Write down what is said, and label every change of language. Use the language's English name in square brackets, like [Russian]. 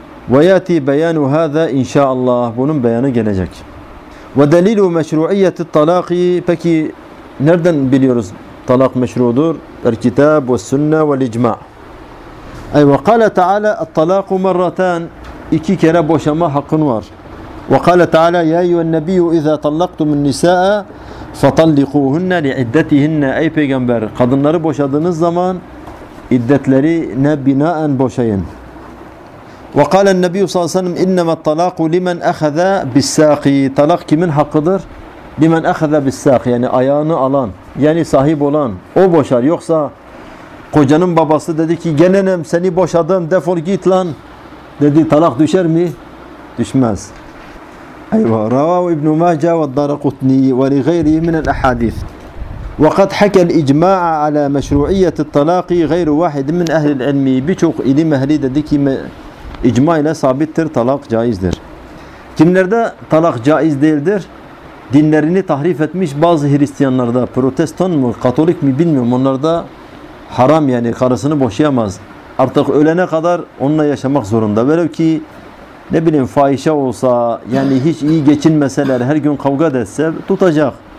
[Turkish] ve yati beyanu hada inşallah bunun beyanı gelecek ve delilu meşruiyeti talaki peki nereden biliyoruz talak meşrudur el kitab ve sünne ve icma eyve kale teala talaku merraten iki kere boşama hakkın var [Arabic] وقال تعالى يا أيها النبي إذا طلقتم النساء فطلقوهن لعدتهن أي [Turkish] peygamber kadınları boşadığınız zaman iddetlerine binaen boşayın. [Arabic] وقال النبي صلى الله عليه وسلم إنما الطلاق لمن أخذ بالساق طلاق [Turkish] kimin hakkıdır? [Arabic] لمن أخذ بالساق [Turkish] yani ayağını alan yani sahip olan o boşar yoksa kocanın babası dedi ki gelenem seni boşadım defol git lan dedi talak düşer mi? Düşmez. [Arabic] ايوه رواه ابن ماجه والدارقطني ولغيره من الاحاديث وقد حكى الاجماع على مشروعيه الطلاق غير واحد من اهل العلم بتوق ايدي مهلي [Turkish] dedi icma ile sabittir talak caizdir. Kimlerde talak caiz değildir? Dinlerini tahrif etmiş bazı Hristiyanlarda, Protestan mı, Katolik mi bilmiyorum. Onlarda haram yani karısını boşayamaz. Artık ölene kadar onunla yaşamak zorunda. Böyle ki ne bileyim fahişe olsa yani hiç iyi geçinmeseler her gün kavga etse tutacak.